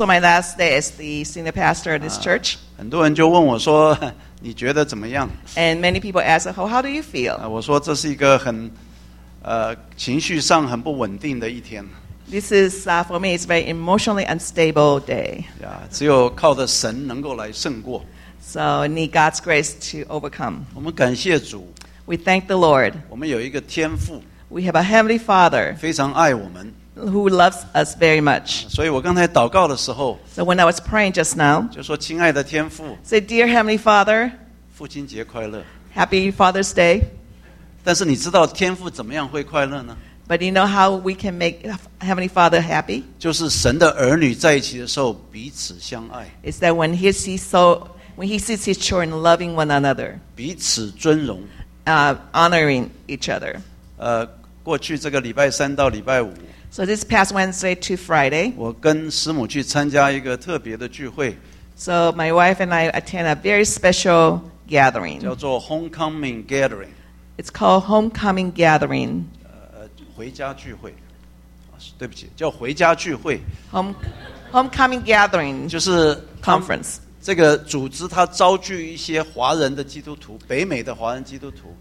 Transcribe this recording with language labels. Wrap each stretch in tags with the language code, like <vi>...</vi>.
<en>So my last day as the senior pastor at this church.</en> <zh>很多人就问我说, 你觉得怎么样?</zh> <en>And many people ask, oh, how do you feel?</en> <zh>我说这是一个很情绪上很不稳定的一天。</zh> <en>This is, for me, it's a very emotionally unstable day.</en> <zh>Yeah, 只有靠着神能够来胜过。</zh> <en>So need God's grace to overcome.</en> <zh>我们感谢主。</zh> <en>We thank the Lord.</en> <zh>我们有一个天父。</zh> <en>We have a Heavenly Father.</en> <zh>非常爱我们。</zh> <en>Who loves us very much.</en> <zh>所以我刚才祷告的时候,</zh> <en>so when I was praying just now,</en> <zh>就说, 亲爱的天父,</zh> <en>say, Dear Heavenly Father,</en> <zh>父亲节快乐,</zh> <en>Happy Father's Day.</en> <zh>但是你知道天父怎么样会快乐呢?</zh> <en>But you know how we can make Heavenly Father happy?</en> <zh>就是神的儿女在一起的时候, 彼此相爱,</zh> <en>is that when he, sees so, when he sees his children loving one another,</en> <zh>彼此尊荣,</zh> <en>honoring each other.</en> <zh>过去这个礼拜三到礼拜五,</zh> <en>So this past Wednesday to Friday,</en> <zh>我跟师母去参加一个特别的聚会,</zh> <en>so my wife and I attend a very special gathering.</en> <zh>叫做 Homecoming Gathering.</zh> <en>It's called Homecoming Gathering.</en> <zh>回家聚会, 对不起, 叫回家聚会,</zh> <en>Homecoming Gathering</en> <zh>就是</zh> <en>Conference.</en> <zh>这个组织它招聚一些华人的基督徒, 北美的华人基督徒,</zh>